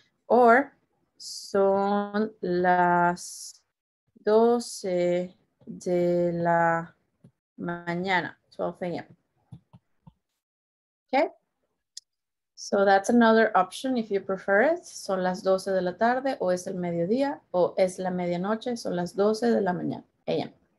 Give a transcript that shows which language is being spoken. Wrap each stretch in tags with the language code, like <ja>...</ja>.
<en>Or</en> <es>son las 12 de la mañana, 12 a.m.</es> <en>Okay, so that's another option if you prefer it.</en> <es>Son las 12 de la tarde, o es el mediodía, o es la medianoche, son las 12 de la mañana, a.m.</es>